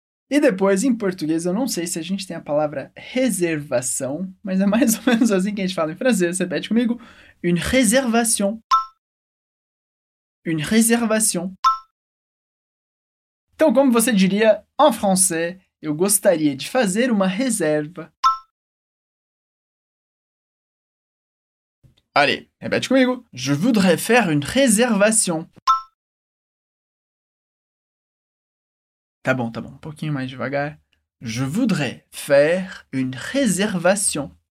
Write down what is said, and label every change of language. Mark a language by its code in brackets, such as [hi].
[pt] E depois, em português, eu não sei se a gente tem a palavra reservação, mas é mais ou menos assim que a gente fala em francês. Repete comigo. [fr] Une réservation. Une réservation. [pt] Então, como você diria em français, eu gostaria de fazer uma reserva. [fr] Allez, [pt] repete comigo. [fr] Je voudrais faire une réservation. [pt] Tá bom, um pouquinho mais devagar. [fr] Je voudrais faire une réservation.